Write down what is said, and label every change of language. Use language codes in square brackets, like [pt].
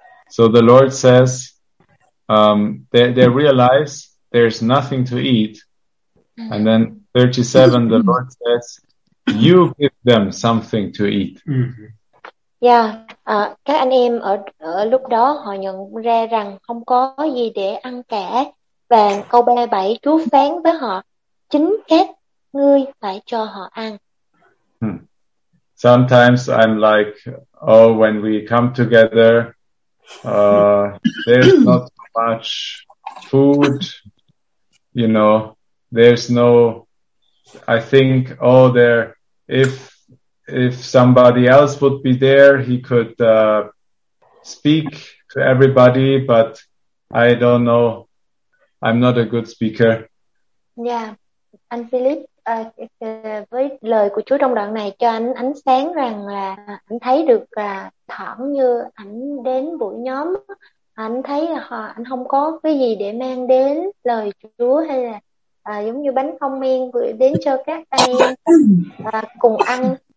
[en] So the Lord says, they realize there's nothing to eat. And then 37, the Lord says, you give them something to eat. [vi] Yeah, các anh em ở lúc đó họ nhận ra rằng không có gì để ăn cả. Và câu 37 chú phán với họ, chính các ngươi phải cho họ ăn. [en] Sometimes I'm like, oh, when we come together, there's not much food, you know, there's no, I think, oh, there, if somebody else would be there, he could speak to everybody, but I don't know, I'm not a good speaker. [vi] Yeah, anh Philip, với lời của Chúa trong đoạn này cho anh ánh sáng rằng là anh thấy được là thoảng như anh đến buổi nhóm, anh thấy là anh không có cái gì để mang đến lời Chúa hay là giống như bánh không men gửi đến cho các anh em cùng ăn,